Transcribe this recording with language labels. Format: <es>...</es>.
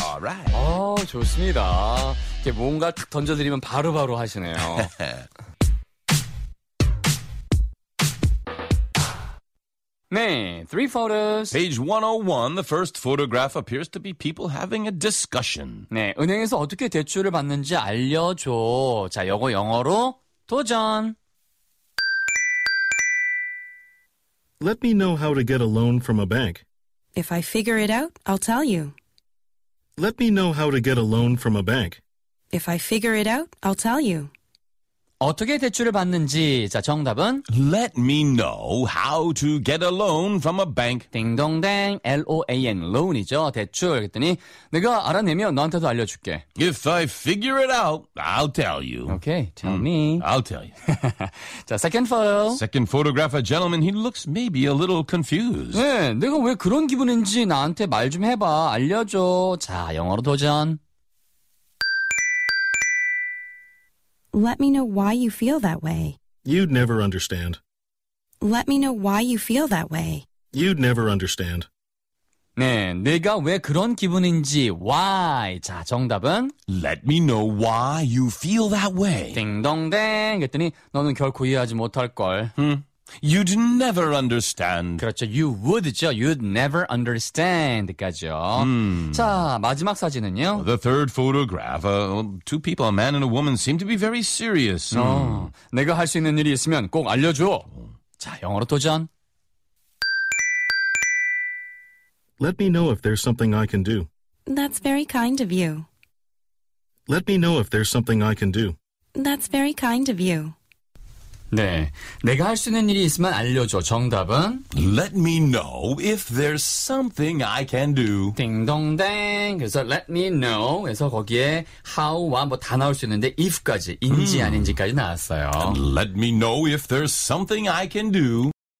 <en>All right.</en> <ko>오, 좋습니다. 이렇게 뭔가 탁 던져드리면 바로바로 하시네요. 네,</ko> <en>three photos. Page 101, the first photograph appears to be people having a discussion.</en> <ko>네, 은행에서 어떻게 대출을 받는지 알려줘. 자, 이거 영어로 도전.</ko> <en>Let me know how to get a loan from a bank. If I figure it out, I'll tell you. Let me know how to get a loan from a bank. If I figure it out, I'll tell you.</en> <ko>어떻게 대출을 받는지 자 정답은</ko> <en>Let me know how to get a loan from a bank.</en> <ko>딩동댕 L-O-A-N loan이죠 대출 그랬더니 내가 알아내면 너한테도 알려줄게.</ko> <en>If I figure it out, I'll tell you. Okay, tell me. I'll tell you. 자 second photo. Second photograph, a gentleman. He looks maybe a little confused.</en> <ko>네, 내가 왜 그런 기분인지 나한테 말 좀 해봐 알려줘. 자 영어로 도전.</ko> <en>Let me know why you feel that way. You'd never understand. Let me know why you feel that way. You'd never understand.</en> <ko>네, 내가 왜 그런 기분인지 why. 자, 정답은</ko> <en>Let me know why you feel that way.</en> <ko>딩동댕 그랬더니 너는 결코 이해하지 못할걸.</ko> <en>You'd never understand.</en> <ko>그렇죠,</ko> <en>you would죠. You'd never understand까지요.</en> <ko>자, 마지막 사진은요?</ko> <en>The third photograph. Two people, a man and a woman, seem to be very serious.</en> <ko>내가 할 수 있는 일이 있으면 꼭 알려줘. 자, 영어로 도전.</ko> <en>Let me know if there's something I can do. That's very kind of you. Let me know if there's something I can do. That's very kind of you.</en> <ko>네, 내가 할 수 있는 일이 있으면 알려줘. 정답은</ko> <en>Let me know if there's something I can do.</en> <ko>딩동댕. 그래서</ko> <en>Let me know</en> <ko>에서 거기에 how와 뭐 다 나올 수 있는데 if까지, 인지 아닌지까지 나왔어요.</ko> <en>Let me know if there's something I can do.</en>